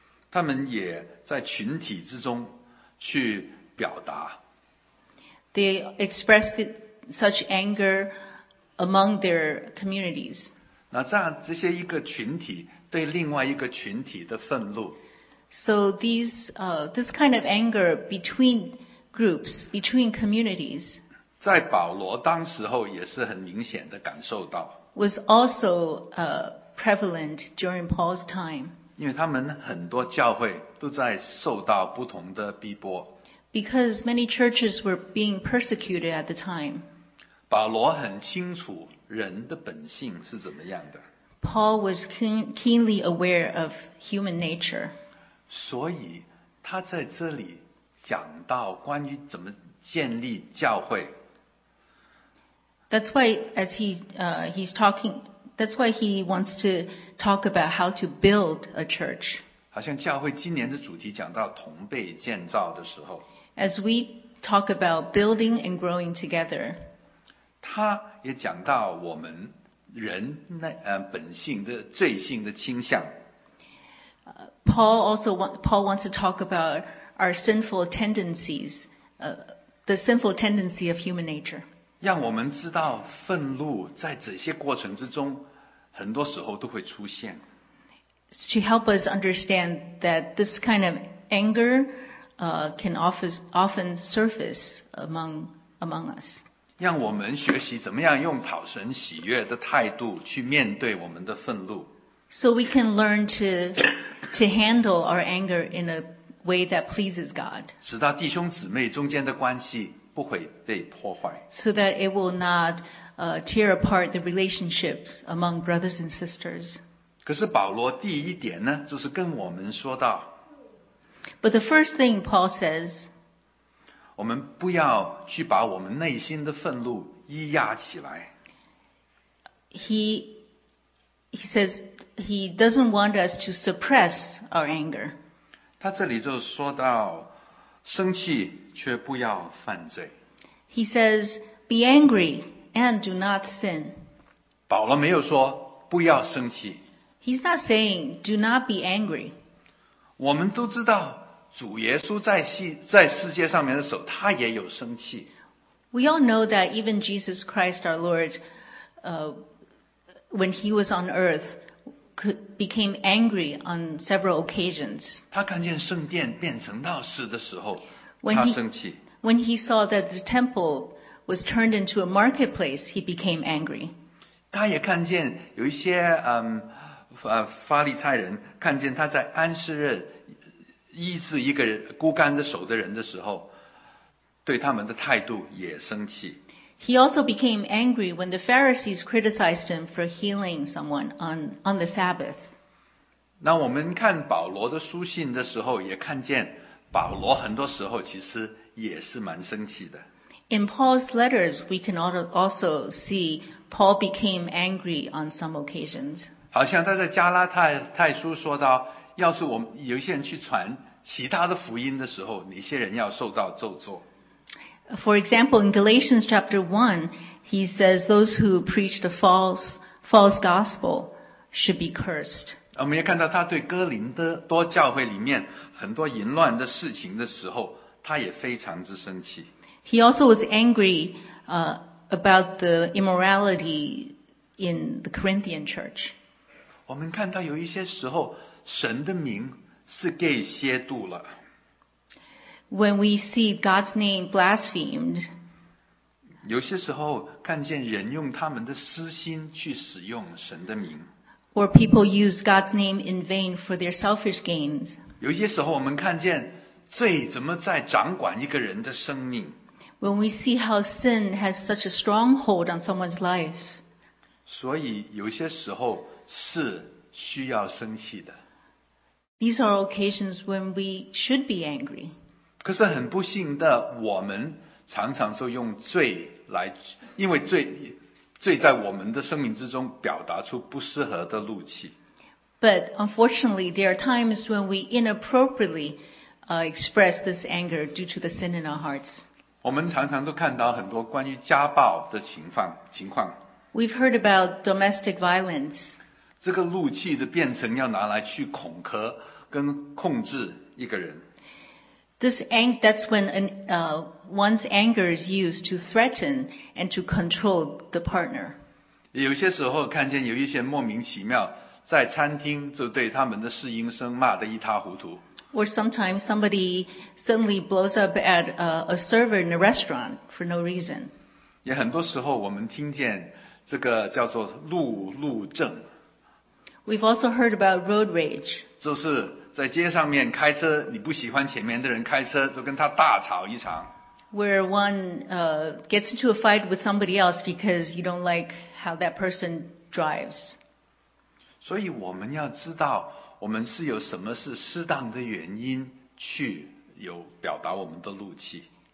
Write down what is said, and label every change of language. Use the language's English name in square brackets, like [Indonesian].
[Chinese] 他们也在群体之中去表达 [English] They expressed itsuch anger among their communities. [Chinese] 那这样这些一个群体对另外一个群体的愤怒。 [English] So this kind of anger between groups, between communities, [Chinese] 在保罗当时候也是很明显的感受到。 [English] Was also prevalent during Paul's time. [Chinese] 因为他们很多教会都在受到不同的逼迫。 [English] Because many churches were being persecuted at the time. [Chinese] 保罗很清楚人的本性是怎么样的。 [English] Paul was keenly aware of human nature. [Chinese] 所以他在这里讲到关于怎么建立教会。 [English] That's why as he wants to talk about how to build a church. [Chinese] 好像教会今年的主题讲到同辈建造的时候。 [English] As we talk about building and growing together. [Chinese] 他也讲到我们人那本性的罪性的倾向。 [English] Paul wants to talk about our sinful tendencies, the sinful tendency of human nature. [Chinese] 让我们知道愤怒在这些过程之中，很多时候都会出现。 [English] To help us understand that this kind of anger, can often surface among us. [Chinese] 让我们学习怎么样用讨神喜悦的态度去面对我们的愤怒。 [English] So we can learn to handle our anger in a way that pleases God. [Chinese] 使到弟兄姊妹中间的关系不会被破坏。 [English] So that it will not tear apart the relationships among brothers and sisters. [Chinese] 可是保罗第一点呢，就是跟我们说到。 [English] But the first thing Paul says, [Chinese] 我们不要去把我们内心的愤怒压抑起来。 [English] He says he doesn't want us to suppress our anger. [Chinese] 他这里就说到生气却不要犯罪。 [English] He says be angry and do not sin. [Chinese] 保罗没有说不要生气。 [English] He's not saying do not be angry. [Chinese] 我们都知道主耶稣在世界上面的时候，他也有生气。 [English] We all know that even Jesus Christ, our Lord, when he was on earth, became angry on several occasions. [Chinese] 他看见圣殿变成闹市的时候，他生气。 [English] When he saw that the temple was turned into a marketplace, he became angry. [Chinese] 他也看见有一些法利赛人看见他在安息日。医治一个人孤干着手的人的时候，对他们的态度也生气。 [English] He also became angry when the Pharisees criticized him for healing someone on the Sabbath. [Chinese] 那我们看保罗的书信的时候，也看见保罗很多时候其实也是蛮生气的。 [English] In Paul's letters, we can also see Paul became angry on some occasions. [Chinese] 好像他在加拉太太书说到，要是我们有些人去传其他的福音的时候，那些人要受到咒诅。 [English] For example, in Galatians chapter 1, he says those who preach the false gospel should be cursed. [Chinese] 我们也看到他对哥林多教会里面很多淫乱的事情的时候，他也非常之生气。 [English] He also was angry about the immorality in the Corinthian church. [Chinese] 我们看到有一些时候，神的名是给亵渎了。 [English] When we see God's name blasphemed, [Chinese] 有些时候看见人用他们的私心去使用神的名。 [English] Or people use God's name in vain for their selfish gains. [Chinese] 有些时候我们看见罪怎么在掌管一个人的生命。 [English] When we see how sin has such a stronghold on someone's life. [Chinese] 所以有些时候是需要生气的。 [English] These are occasions when we should be angry. [Chinese] 可是很不幸的，我们常常说用罪来，因为罪在我们的生命之中表达出不适合的怒气。 [English] But unfortunately, there are times when we inappropriately express this anger due to the sin in our hearts. [Chinese] 我们常常都看到很多关于家暴的情况。 [English] We've heard about domestic violence. [Chinese] 这个怒气就变成要拿来去恐吓跟控制一个人。 [English] That's when one's anger is used to threaten and to control the partner. [Chinese] 有些时候看见有一些莫名其妙在餐厅就对他们的侍应生骂得一塌糊涂。 [English] Or sometimes somebody suddenly blows up at a server in a restaurant for no reason. [Chinese] 也很多时候我们听见这个叫做路怒症。 [English] We've also heard about road rage. [Chinese] 就是在街上面开车，你不喜欢前面的人开车，就跟他大吵一场。 [English] Where one gets into a fight with somebody else because you don't like how that person drives. [Chinese] 所以我们要知道，我们是有什么是适当的原因去有表达我们的怒气。